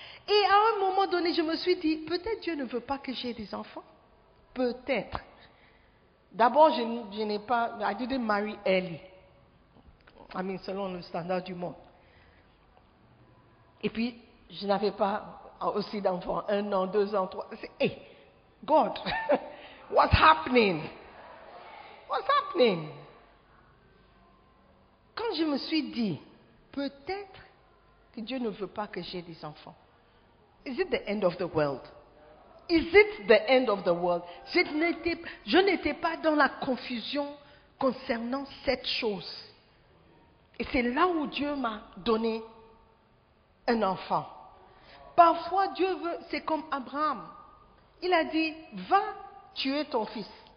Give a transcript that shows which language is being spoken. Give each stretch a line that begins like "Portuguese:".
French: Et à un moment donné, je me suis dit, peut-être Dieu ne veut pas que j'aie des enfants. Peut-être. D'abord, je n'ai pas...
English: I didn't marry early. I mean,
French: selon le standard du monde. Et puis, je n'avais pas aussi d'enfants. Un an, deux ans, trois.
English: C'est, hey, God, what's happening? What's happening?
French: Quand je me suis dit, peut-être que Dieu ne veut pas que j'aie des enfants.
English: Is it the end of the world? Is it the end of the world?
French: Je n'étais pas dans la confusion concernant cette chose. Et c'est là où Dieu m'a donné un enfant. Parfois, Dieu veut, c'est comme Abraham. Il a dit, va tuer ton fils.